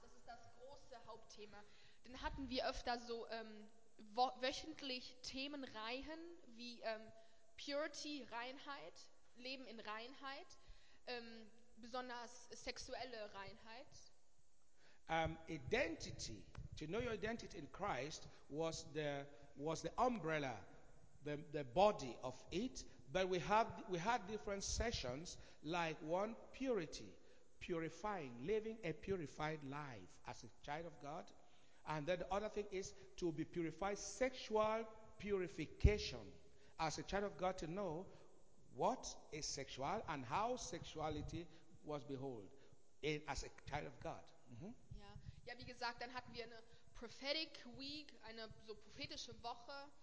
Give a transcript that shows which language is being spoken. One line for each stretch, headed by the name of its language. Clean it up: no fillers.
German: Das ist das große Hauptthema. Dann hatten wir öfter so wöchentlich Themenreihen, wie Purity, Reinheit, Leben in Reinheit, besonders sexuelle Reinheit.
English: Identity, to know your identity in Christ was the umbrella, the body of it. But we had different sessions, like one purity, purifying, living a purified life as a child of God. And then the other thing is to be purified, sexual purification. As a child of God, to know what is sexual and how sexuality was behold in, as a child of God. Mm-hmm.
German: Ja, ja, wie gesagt, dann hatten wir eine
English: prophetic week,
German: eine so prophetische Woche.